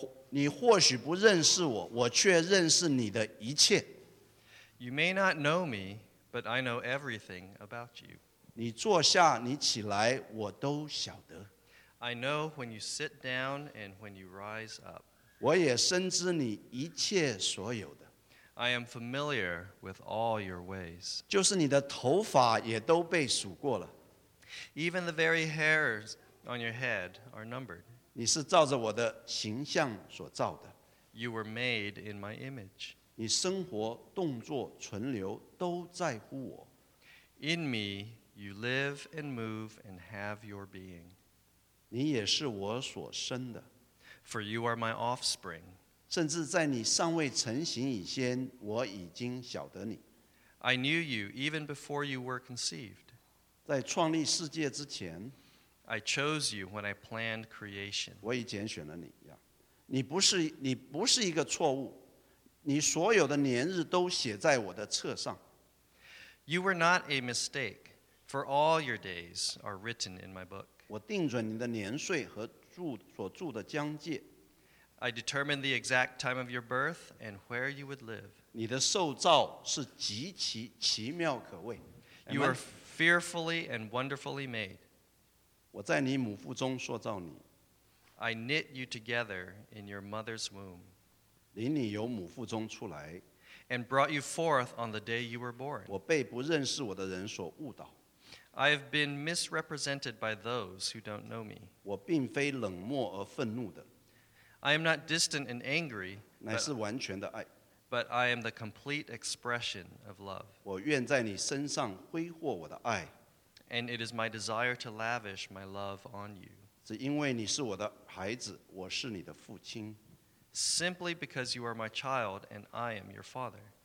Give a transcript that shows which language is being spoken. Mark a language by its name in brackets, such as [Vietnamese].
[Chinese] 你或许不认识我，我却认识你的一切。 [English] You may not know me, but I know everything about you. [Chinese] 你坐下，你起来，我都晓得。 [English] I know when you sit down and when you rise up. [Chinese] 我也深知你一切所有的。 [English] I am familiar with all your ways. [Chinese] 就是你的头发也都被数过了。 [English] Even the very hairs on your head are numbered. [Chinese] 你是照着我的形象所造的。 [English] You were made in my image. [Chinese] 你生活、动作、存留都在乎我。 [English] In me, you live and move and have your being. [Chinese] 你也是我所生的。 [English] For you are my offspring. [Chinese] 甚至在你尚未成形以前，我已经晓得你。 [English] I knew you even before you were conceived. [Chinese] 在创立世界之前。 [English] I chose you when I planned creation. [Chinese] 我已拣选了你, yeah. 你不是一个错误, 你所有的年日都写在我的册上。 [English] You were not a mistake, for all your days are written in my book. [Chinese] 我定准你的年岁和所住的疆界。 [English] I determined the exact time of your birth and where you would live. [Chinese] 你的受造是极其奇妙可畏。 [English] You are fearfully and wonderfully made. [Chinese] 我在你母腹中塑造你。 [English] I knit you together in your mother's womb. [Chinese] 领你由母腹中出来。 [English] And brought you forth on the day you were born. [Chinese] 我被不认识我的人所误导。 [English] I have been misrepresented by those who don't know me. [Chinese] 我并非冷漠而愤怒的。 [English] I am not distant and angry, [Chinese] 乃是完全的爱。 [English] But I am the complete expression of love. [Chinese] 我愿在你身上挥霍我的爱。 [English] And it is my desire to lavish my love on you. [Chinese] 只因为你是我的孩子, 我是你的父亲。 [English] Simply because you are my child and I am your father.